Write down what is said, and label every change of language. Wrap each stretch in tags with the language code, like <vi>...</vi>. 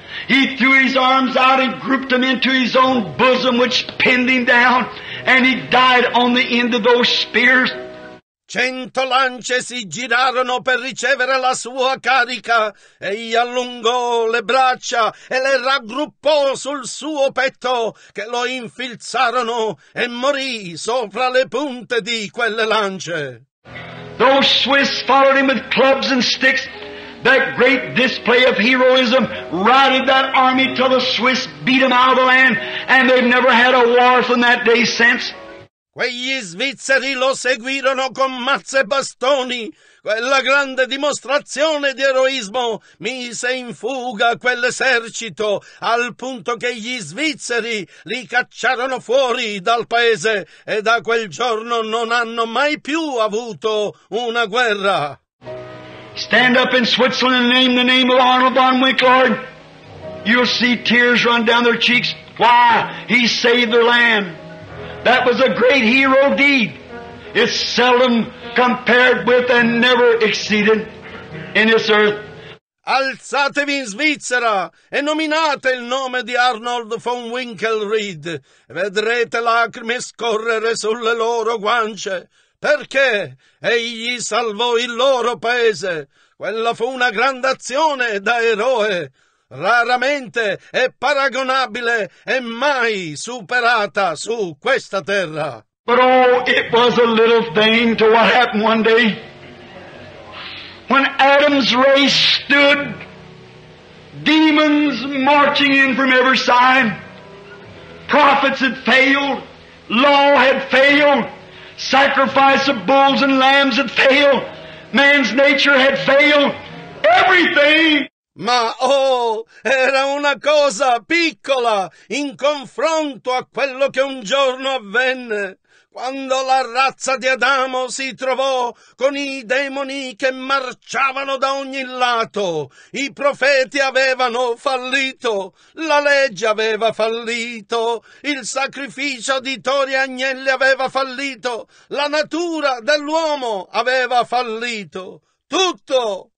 <en>He threw his arms out and grouped them into his own bosom, which pinned him down, and he died on the end of those spears.</en> <it>100 lance si girarono per ricevere la sua carica, e gli allungò le braccia e le raggruppò sul suo petto, che lo infilzarono, e morì sopra le punte di quelle lance.</it> <en>Those Swiss followed him with clubs and sticks. That great display of heroism routed that army till the Swiss beat them out of the land, and they've never had a war from that day since.</en> <it>Quegli svizzeri lo seguirono con mazze e bastoni. Quella grande dimostrazione di eroismo mise in fuga quell'esercito, al punto che gli svizzeri li cacciarono fuori dal paese, e da quel giorno non hanno mai più avuto una guerra.</it> <en>Stand up in Switzerland and name the name of Arnold von Winkelried. You'll see tears run down their cheeks. Why? He saved their land. That was a great hero deed. It's seldom compared with and never exceeded in this earth.</en> <it>alzatevi in Svizzera e nominate il nome di Arnold von Winkelried. Vedrete lacrime scorrere sulle loro guance, perché egli salvò il loro paese. Quella fu una grande azione da eroe, raramente è paragonabile e mai superata su questa terra.</it> <en>But oh, it was a little thing to what happened one day when Adam's race stood, demons marching in from every side, prophets had failed, law had failed, sacrifice of bulls and lambs had failed, man's nature had failed, everything.</en> <it>Ma oh, era una cosa piccola in confronto a quello che un giorno avvenne. Quando la razza di Adamo si trovò con i demoni che marciavano da ogni lato, i profeti avevano fallito, la legge aveva fallito, il sacrificio di tori e agnelli aveva fallito, la natura dell'uomo aveva fallito, tutto.</it>